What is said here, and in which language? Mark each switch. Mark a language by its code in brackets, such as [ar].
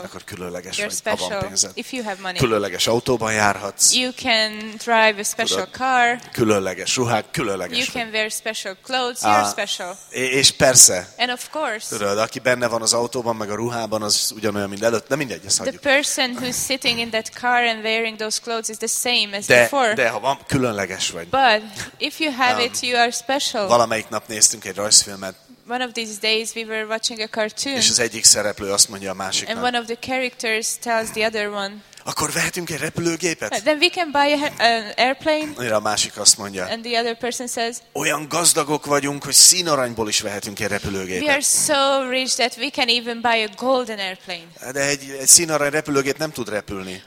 [hu] Akkor különleges you're vagy. Special. Ha van pénzed, [en] if you have money. [hu] Különleges autóban járhatsz. [en] You can drive a special car. [hu] Különleges ruhák, különleges. [en] You [hu] vagy. [en] Can wear special clothes. You're special. [hu] És persze. [en] And of course. [hu] Tudod, aki benne van az autóban, meg a ruhában, az ugyanolyan, mint előtt. De mindegy, ezt hagyjuk. [en] The person who's sitting in that car and wearing those clothes is the same as before. [hu] De ha van, különleges vagy. [en] But if you have it, you are special. [hu] Valamelyik nap néztünk egy rajzfilmet. [en] One of these days we were watching a cartoon. [hu] És az egyik szereplő azt mondja a másiknak. [en] And one of the characters tells the other one. [hu] Akkor vehetünk egy repülőgépet? [en] Then we can buy an airplane. [hu] És a másik azt mondja. [en] And the other person says. [hu] Olyan gazdagok vagyunk, hogy színaranyból is vehetünk egy repülőgépet. [en] We are so rich that we can even buy a golden airplane. [hu] De egy színarany repülőgép nem tud repülni.